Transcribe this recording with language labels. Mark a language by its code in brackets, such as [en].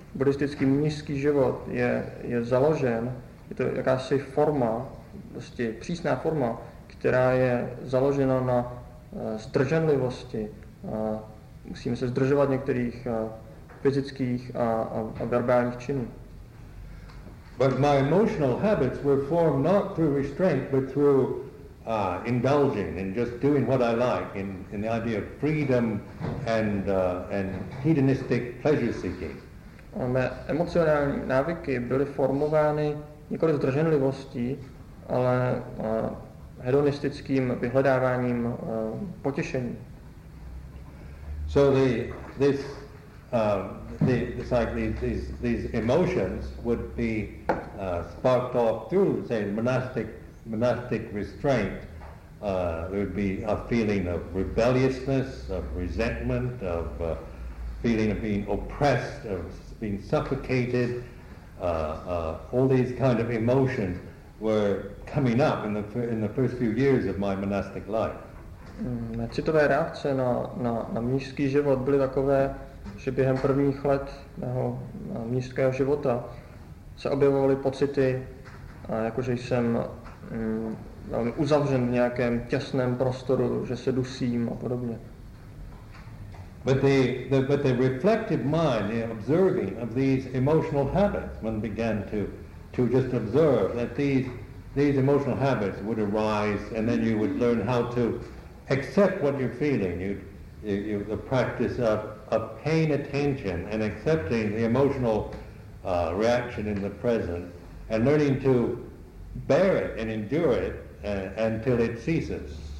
[cs] Buddhistický mnišský život je založen, je to jakási forma, vlastně přísná forma, která je založena na zdrženlivosti. Musíme se zdržovat některých fyzických a verbálních činů. [en] But my emotional habits were formed not through restraint, but through indulging and just doing what I like in the idea of freedom and hedonistic pleasure seeking. [cs] A mé emocionální návyky byly formovány nikoli zdrženlivostí, ale hedonistickým vyhledáváním potěšení. [en] So these emotions would be sparked off through, say, monastic restraint. There would be a feeling of rebelliousness, of resentment, of feeling of being oppressed, of being suffocated. All these kind of emotions were coming up in the first few years of my monastic life. [cs] Citové reakce na mnišský život byly takové, že během prvních let mého mnišského života se objevovaly pocity, jakože jsem velmi uzavřen v nějakém těsném prostoru, že se dusím a podobně. [en] But the reflective mind, the observing of these emotional habits, one began to just observe that these emotional habits would arise and then you would learn how to accept what you're feeling, you the practice of paying attention and accepting the emotional reaction in the present and learning to bear it and endure it until it ceases.